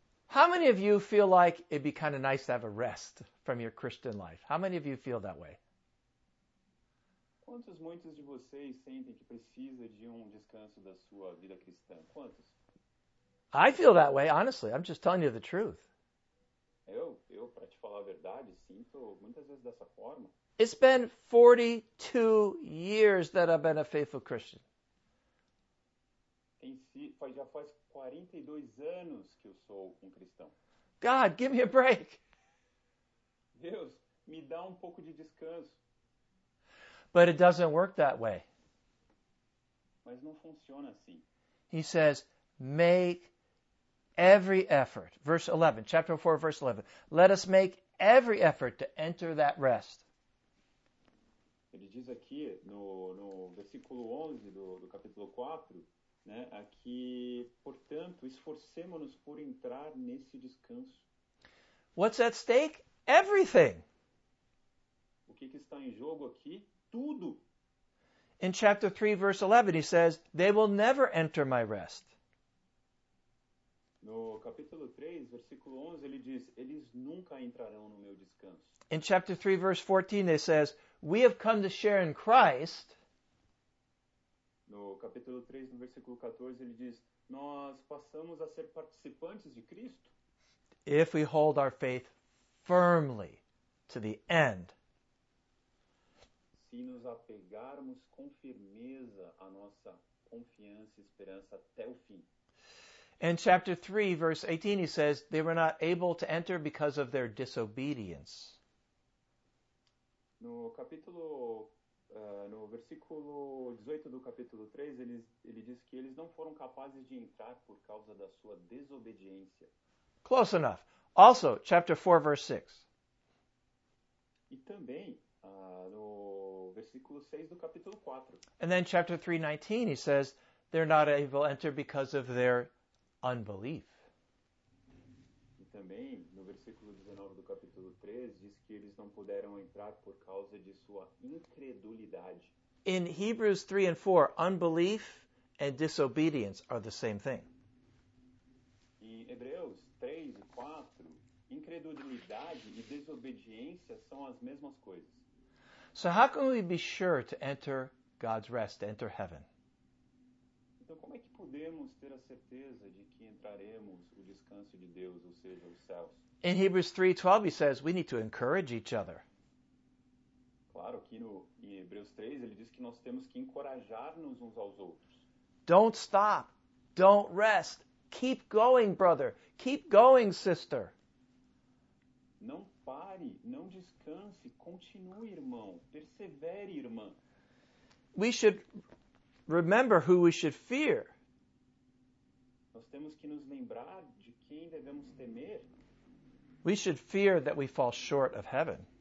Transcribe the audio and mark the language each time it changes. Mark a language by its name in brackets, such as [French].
[English] How many of you feel like it'd be kind of nice to have a rest from your Christian life? How many of you feel that way? [Portuguese] Quantos muitos de vocês sentem que precisa de um descanso da sua vida cristã? Quantos? [English] I feel that way, honestly. I'm just telling you the truth. [Portuguese] Eu para te falar a verdade, sinto muitas vezes dessa forma. [English] It's been 42 years that I've been a faithful Christian. [Portuguese] Já faz 42 anos que eu sou um cristão. [English] God, give me a break. [Portuguese] Deus, me dá um pouco de descanso. [English] But it doesn't work that way. [Portuguese] Mas não funciona assim. [English] He says, make every effort. Verse 11, chapter 4, verse 11. Let us make every effort to enter that rest. [Portuguese] Ele diz aqui no versículo 11 do capítulo 4, né, aqui, portanto, esforcemo-nos por entrar nesse descanso. [English] What's at stake? Everything. [Portuguese] O que está em jogo aqui? Tudo. [English] In chapter 3, verse 11, he says, they will never enter my rest. [Portuguese] No capítulo 3, versículo 11, ele diz, eles nunca entrarão no meu descanso. [English] In chapter 3, verse 14, it says, we have come to share in Christ. [Portuguese] No capítulo 3, no versículo 14, ele diz, nós passamos a ser participantes de Cristo. [English] If we hold our faith firmly to the end. [Portuguese] Se nos apegarmos com firmeza à nossa confiança e esperança até o fim. [English] In chapter 3, verse 18, he says, they were not able to enter because of their disobedience. [Portuguese] No capítulo, no versículo 18 do capítulo 3, ele diz que eles não foram capazes de entrar por causa da sua desobediência. [English] Close enough. Also, chapter 4, verse 6. [Portuguese] E também, no versículo 6 do capítulo 4. [English] And then chapter 3, 19, he says, they're not able to enter because of their unbelief. [Portuguese] E também, no versículo 19 do capítulo 3, diz que eles não puderam entrar por causa de sua incredulidade. [English] In Hebrews 3 and 4, unbelief and disobedience are the same thing. [Portuguese] Em Hebreus 3 e 4, incredulidade e desobediência são as mesmas coisas. [English] So how can we be sure to enter God's rest, to enter heaven? [Portuguese] Então, como é que podemos ter a certeza de que entraremos o descanso de Deus, ou seja, os céus? [English] In Hebrews 3:12, he says, we need to encourage each other. [Portuguese] Claro, aqui em Hebreus 3, ele diz que nós temos que encorajar-nos uns aos outros. [English] Don't stop. Don't rest. Keep going, brother. Keep going, sister. [Portuguese] Não pare. Não descanse. Continue, irmão. Persevere, irmã. [English] We should remember who we should fear. [Portuguese] Nós temos que nos lembrar de quem devemos temer. [English] We should fear that we fall short of heaven.